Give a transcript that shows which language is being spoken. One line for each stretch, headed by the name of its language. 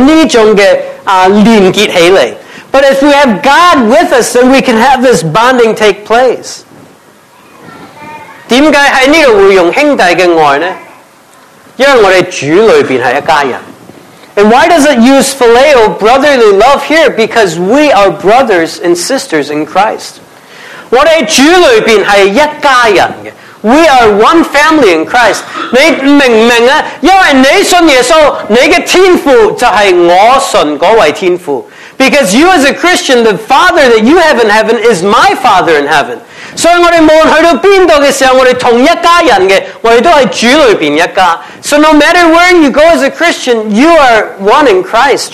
Chinese: 如果有神的爱在中间，我们才可以有这种的连结起来。
English: But if we have God with us, then we can have this bonding take place.
Chinese: 为什么在这里会用兄弟的爱呢? 因为我们主里面是一家人。
English: And why does it use phileo, brotherly love, here? Because we are brothers and sisters in Christ.
Chinese: 我们主里面是一家人的,
English: we are one family in Christ.
Chinese: 你明不明啊? 因为你信耶稣, 你的天父就是我信那位天父。
English: Because you as a Christian, the Father that you have in heaven is my Father in heaven.
Chinese: 所以我们无论去到哪里的时候,我们同一家人的,我们都是主里面一家。
English: So no matter where you go as a Christian, you are one in Christ.